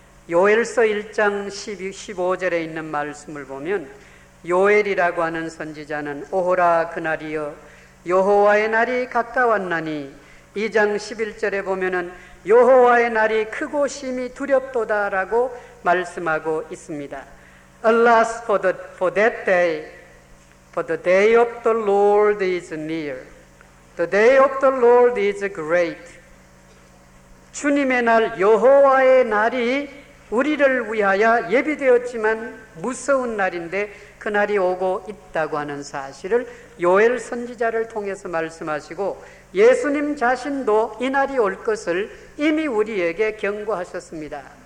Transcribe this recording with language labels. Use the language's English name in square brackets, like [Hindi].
[Korean] 요엘서 1장 15절에 있는 말씀을 보면 요엘이라고 하는 선지자는 오호라 그날이여 여호와의 날이 가까웠나니 2장 11절에 보면은 여호와의 날이 크고 심히 두렵도다 라고 말씀하고 있습니다. [English] Alas for that day, for the day of the Lord is near. The day of the Lord is great. [Korean] 주님의 날 여호와의 날이 우리를 위하여 예비되었지만 무서운 날인데 그날이 오고 있다고 하는 사실을 요엘 선지자를 통해서 말씀하시고 예수님 자신도 이날이 올 것을 이미 우리에게 경고하셨습니다.